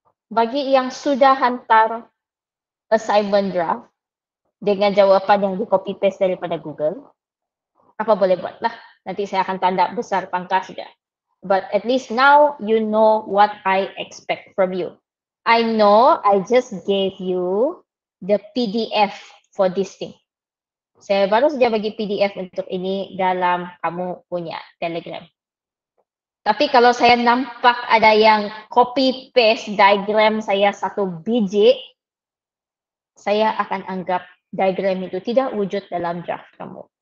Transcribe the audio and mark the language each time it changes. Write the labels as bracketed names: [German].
[Malay] Bagi yang sudah hantar assignment draft dengan jawapan yang di copy paste daripada Google, apa boleh buat lah. Nanti saya akan tanda besar pangkas saja. [English] But at least now you know what I expect from you. I know I just gave you the PDF for this thing. [Malay] Saya baru saja bagi PDF untuk ini dalam kamu punya Telegram. Tapi kalau saya nampak ada yang copy paste diagram saya satu biji, saya akan anggap diagram itu tidak wujud dalam draft kamu.